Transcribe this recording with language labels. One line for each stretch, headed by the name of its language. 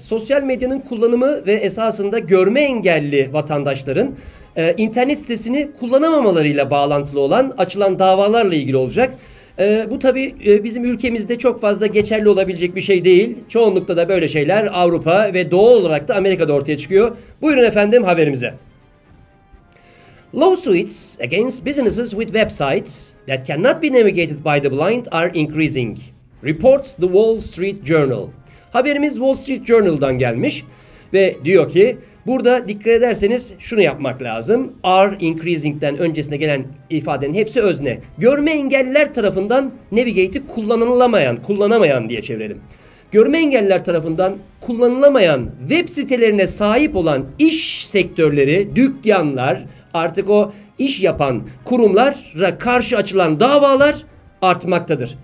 Turkish: Sosyal medyanın kullanımı ve esasında görme engelli vatandaşların internet sitesini kullanamamalarıyla bağlantılı olan açılan davalarla ilgili olacak. Bu tabii bizim ülkemizde çok fazla geçerli olabilecek bir şey değil. Çoğunlukla da böyle şeyler Avrupa ve doğal olarak da Amerika'da ortaya çıkıyor. Buyurun efendim haberimize.
English: Lawsuits against businesses with websites that cannot be navigated by the blind are increasing, reports the Wall Street Journal.
Turkish: Haberimiz Wall Street Journal'dan gelmiş ve diyor ki burada dikkat ederseniz şunu yapmak lazım. Are increasing'den öncesine gelen ifadenin hepsi özne. Görme engelliler tarafından navigate'i kullanamayan diye çevirelim. Görme engelliler tarafından kullanılamayan web sitelerine sahip olan iş sektörleri, dükkanlar, artık o iş yapan kurumlara karşı açılan davalar artmaktadır.